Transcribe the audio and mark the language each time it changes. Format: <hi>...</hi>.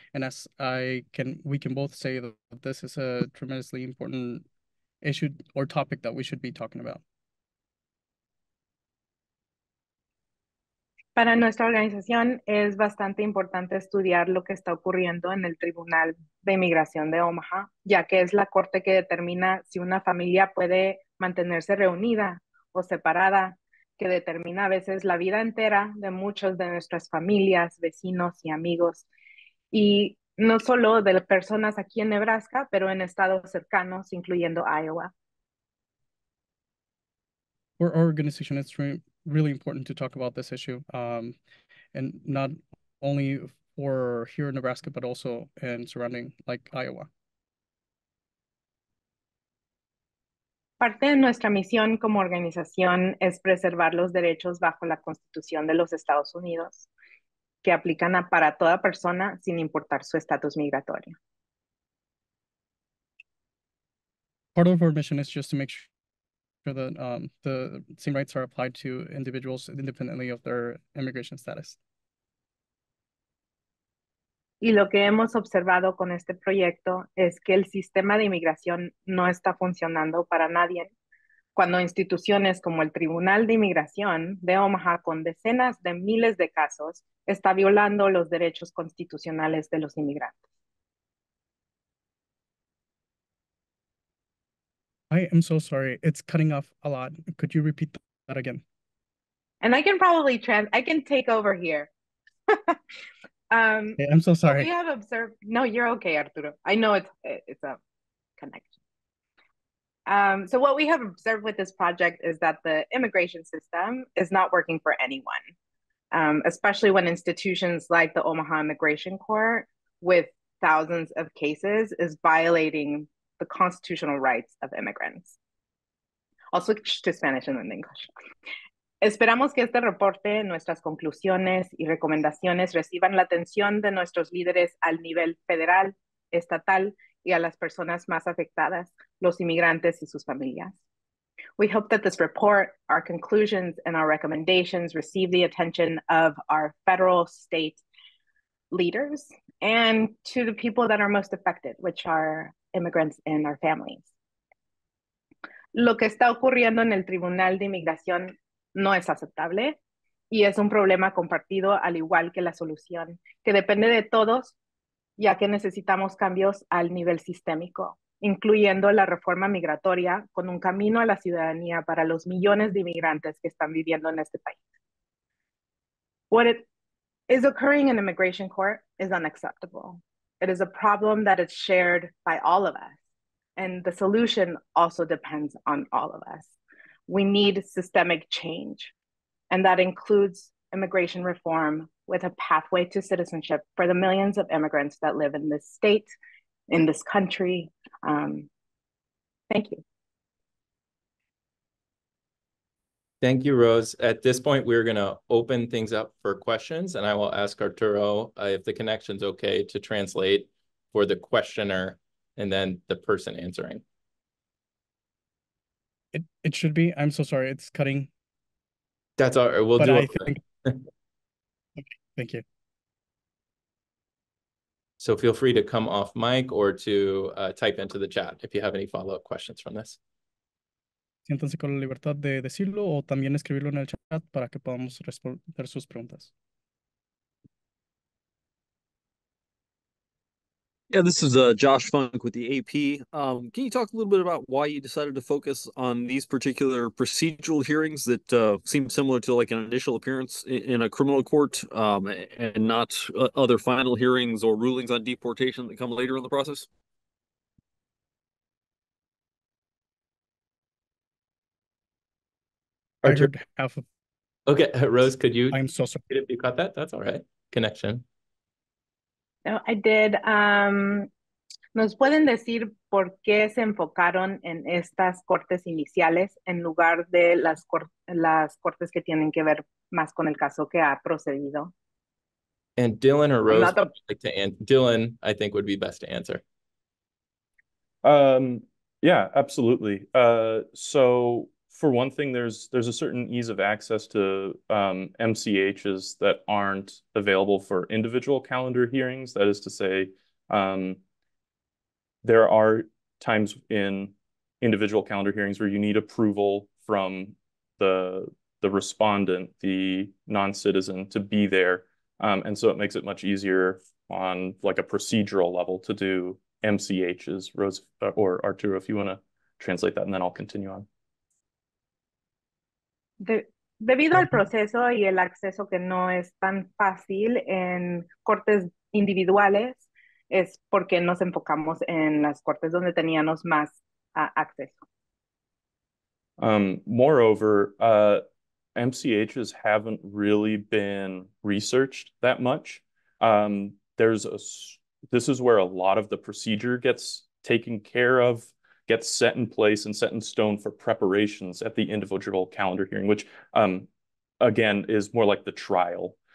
<en>And as we can both say that this is a tremendously important issue or topic that we should be talking about.</en> <es>Para nuestra organización es bastante importante estudiar lo que está ocurriendo en el Tribunal de Inmigración de Omaha, ya que es la corte que determina si una familia puede mantenerse reunida o separada, que determina a veces la vida entera de muchos de nuestras familias, vecinos y amigos, y no solo de personas aquí en Nebraska, pero en estados cercanos, incluyendo Iowa.</es> <en>For our organization, it's really important to talk about this issue, and not only for here in Nebraska, but also in surrounding, like Iowa.</en> <es>Parte de nuestra misión como organización es preservar los derechos bajo la Constitución de los Estados Unidos, que aplican para toda persona sin importar su estatus migratorio.</es> <en>Part of our mission is just to make sure that the same rights are applied to individuals independently of their immigration status.</en> <es>Y lo que hemos observado con este proyecto es que el sistema de inmigración no está funcionando para nadie, cuando instituciones como el Tribunal de Inmigración de Omaha, con decenas de miles de casos, está violando los derechos constitucionales de los inmigrantes.</es> <en>I am so sorry. It's cutting off a lot. Could you repeat that again? And I can probably I can take over here. I'm so sorry. We have observed, no, you're okay, Arturo. I know it's a connection. So what we have observed with this project is that the immigration system is not working for anyone, especially when institutions like the Omaha Immigration Court with thousands of cases is violating the constitutional rights of immigrants. I'll switch to Spanish and then English.</en> <es>Esperamos que este reporte, nuestras conclusiones y recomendaciones reciban la atención de nuestros líderes al nivel federal, estatal, y a las personas más afectadas, los inmigrantes y sus familias.</es> <en>We hope that this report, our conclusions, and our recommendations receive the attention of our federal, state leaders, and to the people that are most affected, which are immigrants and our families.</en> <es>Lo que está ocurriendo en el Tribunal de Inmigración no es aceptable, y es un problema compartido al igual que la solución, que depende de todos, ya que necesitamos cambios al nivel sistémico, incluyendo la reforma migratoria con un camino a la ciudadanía para los millones de inmigrantes que están viviendo en este país.</es> <en>What is occurring in immigration court is unacceptable. It is a problem that is shared by all of us, and the solution also depends on all of us. We need systemic change, and that includes immigration reform with a pathway to citizenship for the millions of immigrants that live in this state, in this country. Thank you. Thank you, Rose. At this point, we're going to open things up for questions, and I will ask Arturo if the connection's okay to translate for the questioner and then the person answering. It should be. I'm so sorry. It's cutting. That's all right. We'll but do it. Thank you. So feel free to come off mic or to type into the chat if you have any follow-up questions from this.</en> <es>Siéntanse con la libertad de decirlo o también escribirlo en el chat para que podamos responder sus preguntas.</es> <en>Yeah, this is Josh Funk with the AP. Can you talk a little bit about why you decided to focus on these particular procedural hearings that seem similar to like an initial appearance in a criminal court and not other final hearings or rulings on deportation that come later in the process? Okay, Rose, could you? I'm so sorry. If you caught that, that's all right. Connection. No, I did.</en> <es>¿Nos pueden decir por qué se enfocaron en estas cortes iniciales en lugar de las cortes que tienen que ver más con el caso que ha procedido?</es> <en>And Dylan or Rose, Dylan, I think would be best to answer. Yeah, absolutely. So for one thing, there's a certain ease of access to MCHs that aren't available for individual calendar hearings. That is to say, there are times in individual calendar hearings where you need approval from the respondent, the non-citizen, to be there. And so it makes it much easier on like a procedural level to do MCHs. Rose or Arturo, if you want to translate that, and then I'll continue on.</en> <es>Debido al proceso y el acceso que no es tan fácil en cortes individuales, es porque nos enfocamos en las cortes donde teníamos más acceso.</es> <en>Moreover, MCHs haven't really been researched that much. This is where a lot of the procedure gets taken care of, gets set in place and set in stone for preparations at the individual calendar hearing, which again is more like the trial.</en>